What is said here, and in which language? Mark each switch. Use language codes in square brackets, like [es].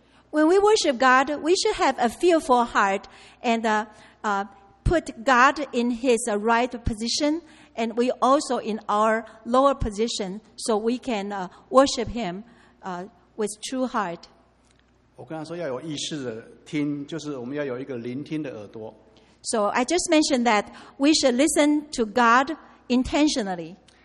[en] When we worship God, we should have a fearful heart and put God in His right position, and we also in our lower position, so we can worship Him with true heart. [zh] 我刚刚说要有意识的听，就是我们要有一个聆听的耳朵。 [en] So I just mentioned that we should listen to God intentionally.